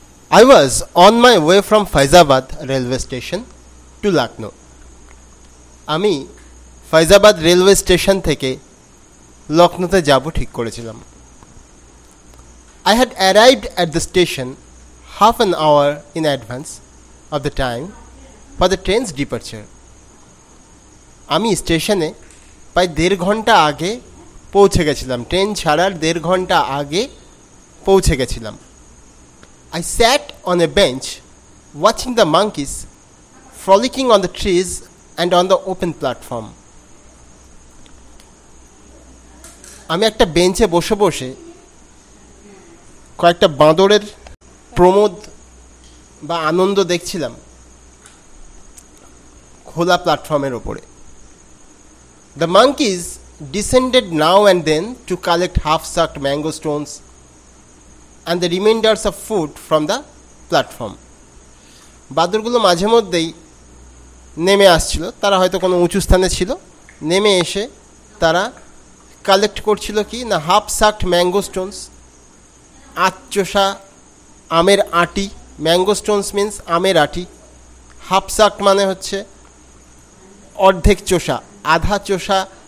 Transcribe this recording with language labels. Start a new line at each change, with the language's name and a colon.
English: I was on my way from Faizabad railway station to Lucknow.
Bangla: আমি Faizabad railway station থেকে লখনউতে যাব ঠিক করেছিলাম।
English: I had arrived at the station half an hour in advance of the time for the train's departure.
Bangla: আমি স্টেশনে প্রায় দেড় ঘন্টা আগে পৌঁছে গেছিলাম, ট্রেন ছাড়ার দেড় ঘন্টা আগে পৌঁছে গেছিলাম।
English: I sat on a bench watching the monkeys frolicking on the trees and on the open platform.
Bangla: আমি একটা বেঞ্চে বসে বসে কয়েকটা বাঁদরের প্রমোদ বা আনন্দ দেখছিলাম খোলা প্ল্যাটফর্মের ওপরে।
English: The monkeys descended now and then to collect half-sucked mango stones and the remainders of food from the platform.
Bangla: বাদরগুলো মাঝে মধ্যেই নেমে আসছিল, তারা হয়তো কোনো উঁচু স্থানে ছিল, নেমে এসে তারা কালেক্ট করছিল কি না
English: half sucked mango stones,
Bangla: আচ্চোসা আমের আটি।
English: mango stones means
Bangla: আমের আটি, হাফ সাক্ট মানে হচ্ছে অর্ধেক চোষা, আধা চোষা।